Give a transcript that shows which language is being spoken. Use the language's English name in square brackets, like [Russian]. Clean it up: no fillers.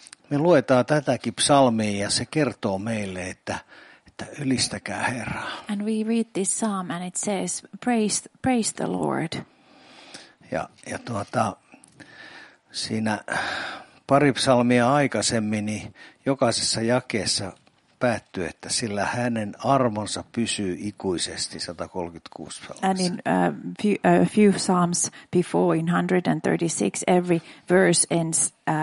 [Finnish] Me luetaan tätäkin psalmia ja se kertoo meille, että ylistäkää Herraa. [English] And we read this psalm and it says praise the Lord. [Finnish] Ja siinä pari psalmia aikaisemmin, niin jokaisessa jakeessa päättyy, että sillä hänen armonsa pysyy ikuisesti, 136 psalmissa. [English] And in a few psalms before, in 136, every verse ends